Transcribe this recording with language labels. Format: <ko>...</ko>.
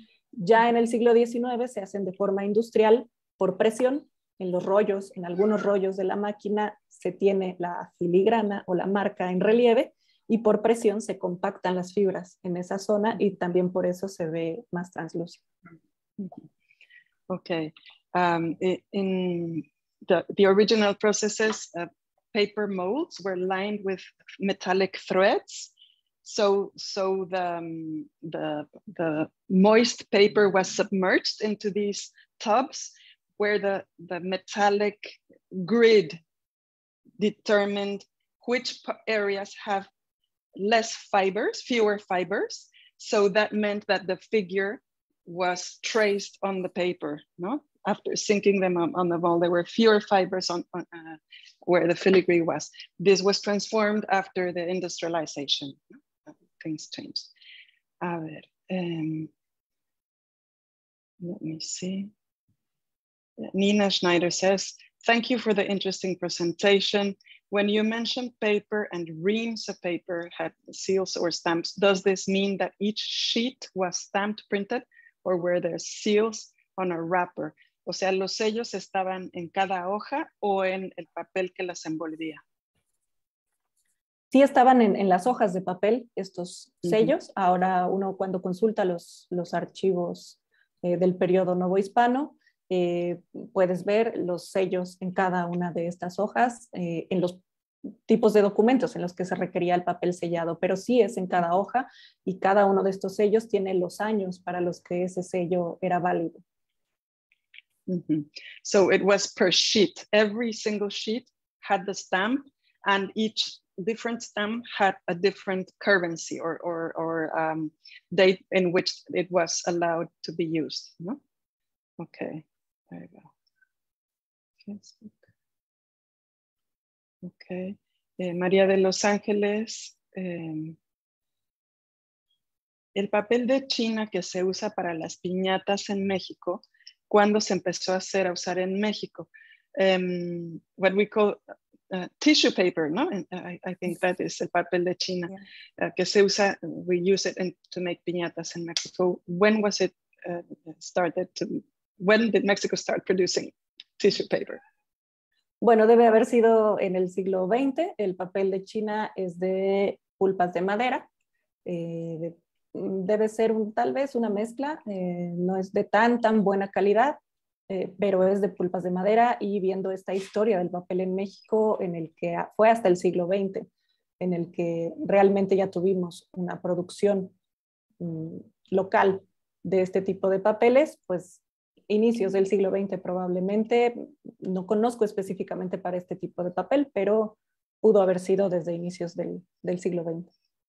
<es>Ya en el siglo XIX se hacen de forma industrial por presión en los rollos, en algunos rollos de la máquina se tiene la filigrana o la marca en relieve y por presión se compactan las fibras en esa zona y también por eso se ve más translúcido.</es> <en>Okay. In the original processes, paper molds were lined with metallic threads. So the moist paper was submerged into these tubs where the metallic grid determined which areas have less fibers, fewer fibers. So that meant that the figure was traced on the paper, no? After sinking them on the wall, there were fewer fibers on where the filigree was. This was transformed after the industrialization. Things changed.</en> <es>A ver,</es> <en>let me see. Nina Schneider says, thank you for the interesting presentation. When you mentioned paper and reams of paper had seals or stamps, does this mean that each sheet was stamped printed or were there seals on a wrapper?</en> <es>O sea, los sellos estaban en cada hoja o en el papel que las envolvía. Sí, estaban en las hojas de papel estos sellos. Uh-huh. Ahora uno cuando consulta los archivos del periodo Novo Hispano, puedes ver los sellos en cada una de estas hojas, en los tipos de documentos en los que se requería el papel sellado, pero sí es en cada hoja y cada uno de estos sellos tiene los años para los que ese sello era válido.</es> <en>Mm-hmm. So it was per sheet. Every single sheet had the stamp and each different stamp had a different currency or date in which it was allowed to be used. No? Okay. There you go. Facebook. Okay. María de Los Ángeles.</en> <es>El papel de China que se usa para las piñatas en México, ¿cuándo se empezó a hacer a usar en México?</es> <en>What we call tissue paper, no? And I think that is</en> <es>el papel de China.</es> <en>Yeah.</en> <es>Que se usa,</es> <en>we use it to make piñatas in Mexico. When was it started to... When did Mexico start producing tissue paper?</en> <es>Bueno, debe haber sido en el siglo XX. El papel de China es de pulpas de madera. Debe ser tal vez una mezcla. No es de tan buena calidad, pero es de pulpas de madera. Y viendo esta historia del papel en México, en el que fue hasta el siglo XX, en el que realmente ya tuvimos una producción local de este tipo de papeles, pues inicios del siglo XX probablemente, no conozco específicamente para este tipo de papel, pero pudo haber sido desde inicios del siglo XX.</es>